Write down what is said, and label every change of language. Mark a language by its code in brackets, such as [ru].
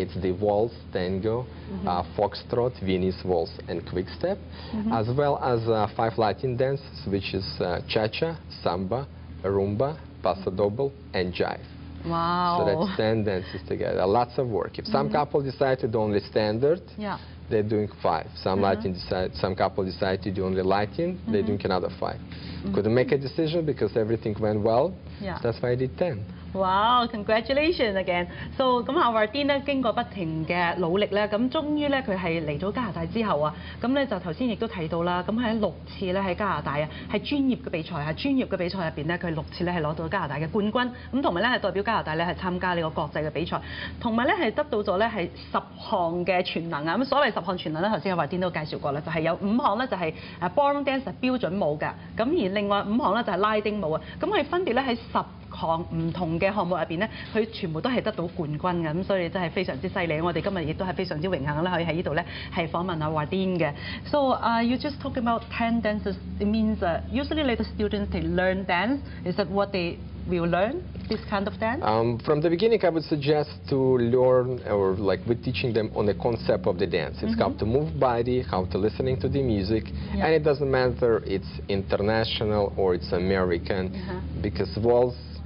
[en] It's the waltz, tango, foxtrot, Viennese waltz, and quickstep, as well as 5 Latin dances, which is cha-cha, samba, rumba, paso doble, and jive. Wow. So that's 10 dances together. Lots of work. If some couple decide to do only standard, they're doing 5. Some Latin decide, some couple decide to do only Latin, they're doing another 5. Couldn't make a decision because everything went well. Yeah. So that's why I did 10. Wow, congratulations again. [yue] So, 咁阿華甸咧經過不停嘅努力咧，咁終於咧佢係嚟咗加拿大之後啊，咁咧就頭先亦都提到啦，咁喺六次咧喺加拿大啊，係專業嘅比賽入邊咧，佢六次咧係攞到加拿大嘅冠軍，咁同埋咧係代表加拿大咧係參加呢個國際嘅比賽，同埋咧係得到咗咧係十項嘅全能啊。咁所謂十項全能咧，頭先阿華甸都介紹過啦，就係有5項咧就係ballroom dance 標準舞嘅，咁而另外5項咧就係拉丁舞啊，咁佢分別咧喺十項唔同嘅項目入邊咧，佢全部都係得到冠軍嘅，咁所以真係非常之犀利。我哋今日亦都係非常之榮幸啦，可以喺依度咧係訪問阿華甸嘅。 [en] So you just talk about 10 dances. It means usually little students they learn dance. Is that what they will learn this kind of dance? From the beginning, I would suggest to learn or like we're teaching them on the concept of the dance. It's how to move body, how to listening to the music, and it doesn't matter it's international or it's American, because waltz.